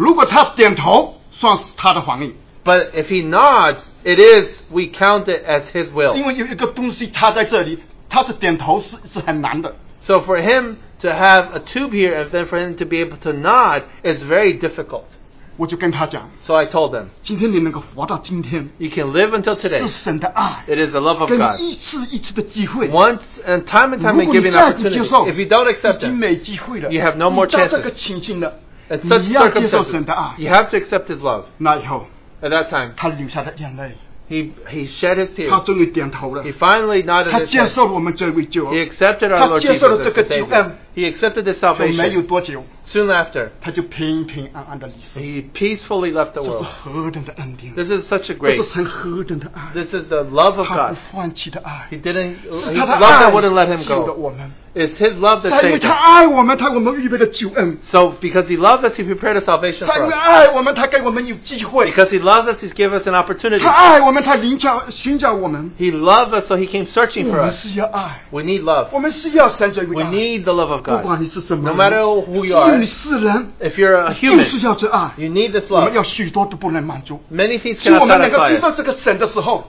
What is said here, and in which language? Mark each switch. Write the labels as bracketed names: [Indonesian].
[Chinese] 如果他点头, 算是他的反应, [English] but if he nods, it is, we count it as his will. [Chinese] 因为有一个东西插在这里, 他是点头, 是很难的。 [English] So for him to have a tube here and then for him to be able to nod is very difficult. [Chinese] 我就跟他讲, [English] so I told them, [Chinese] 今天你能够活到今天, [English] you can live until today. [Chinese] 是神的爱, [English] it is the love of God. [Chinese] 跟一次一次的机会, [English] once and time and time and giving opportunities. If you don't accept it, you have no more chances. In such circumstances, you have to accept his love. [Chinese] 那以后, [English] at that time, [Chinese] 他流下的眼泪, [English] he shed his tears. [Chinese] 他终于点头了, [English] he finally nodded his head. He accepted our Lord Jesus as the Savior. He accepted the salvation. [Chinese] 就没有多久, [English] soon after, [Chinese] 他就平平安安地离世, [English] he peacefully left the world. [Chinese] 这是何等的恩典, [English] this is such a grace. [Chinese] 这是神何等的爱, [English] this is the love of God. [Chinese] 他不放弃的爱, [English] he didn't, his love that wouldn't let him go. It's his love that saved us. [Chinese] 他因为他爱我们, 他给我们预备了救恩, [English] so because he loved us, he prepared a salvation for us. [Chinese] 他因为爱我们, 他给我们有机会, [English] because he loved us, he gave us an opportunity. [Chinese] 他爱我们, 他寻找我们, [English] he loved us, so he came searching for us. We need love. We need the love of God. [Chinese] 不管你是什么, [English] no matter who you are, [Chinese] 即使是人, [English] if you're a human, [Chinese] 就是要这爱, [English] you need this love. Many things cannot satisfy us.